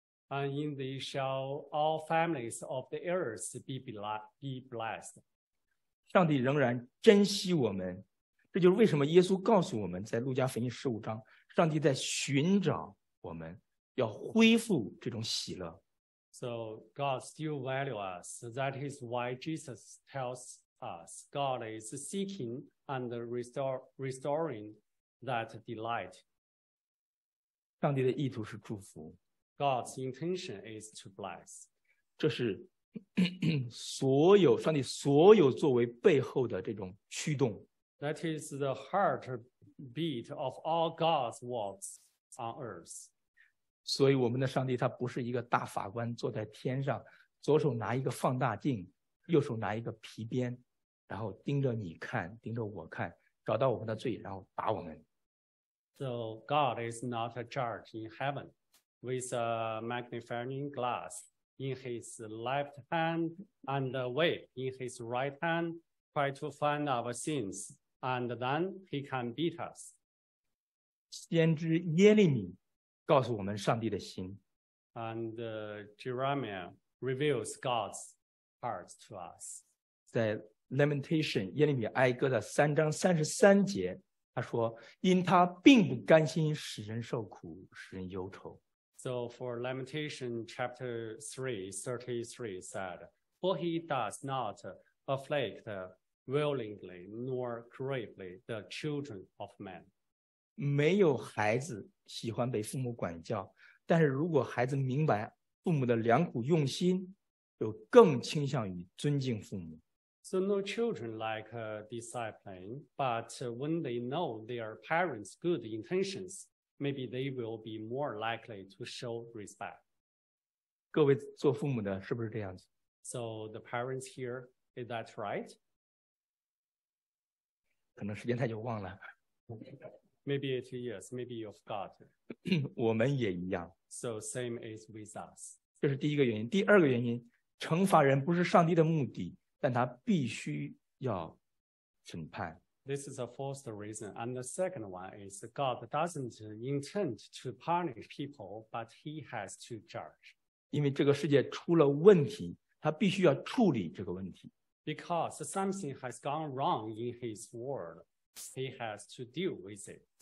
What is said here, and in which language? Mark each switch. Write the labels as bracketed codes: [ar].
[en] ”“And in thee shall all families of the earth be blessed。” [zh] 上帝仍然珍惜我们，这就是为什么耶稣告诉我们在路加福音十五章，上帝在寻找我们。要恢复这种喜乐。 [en] So So God still values us. That is why Jesus tells us God is seeking and restoring that delight. [zh] 上帝的意图是祝福。 [en] God's intention is to bless. [zh] 这是所有上帝所有作为背后的这种驱动。 [en] That is the heartbeat of all God's works on earth. [zh] 所以我们的上帝他不是一个大法官坐在天上，左手拿一个放大镜，右手拿一个皮鞭，然后盯着你看，盯着我看，找到我们的罪，然后打我们。 [en] So God is not a judge in heaven with a magnifying glass in his left hand and a whip in his right hand, try to find our sins, and then he can beat us. [zh] 先知耶利米告诉我们上帝的心。 [en] And Jeremiah reveals God's heart to us. [zh] 在 Lamentation 耶利米哀歌的三章三十三节他说因他并不甘心使人受苦使人忧愁。 [en] So for Lamentation chapter 3:33 said, For he does not afflict willingly nor gravely the children of man. [zh] 没有孩子喜欢被父母管教，但是如果孩子明白父母的良苦用心，就更倾向于尊敬父母。 [en] So no children like discipline, but when they know their parents' good intentions, maybe they will be more likely to show respect. [zh] 各位做父母的是不是这样子？ [en] So the parents here, is that right? [zh] 可能时间太久忘了。 [en] Maybe it is, maybe you forgot. [zh] 我们也一样。 [en] So same is with us. [zh] 这是第一个原因。第二个原因，惩罚人不是上帝的目的。但他必须要审判。 [en] This is a first reason. And the second one is God doesn't intend to punish people, but he has to judge. [zh] 因为这个世界出了问题，他必须要处理这个问题。 [en] Because something has gone wrong in his world, he has to deal with it.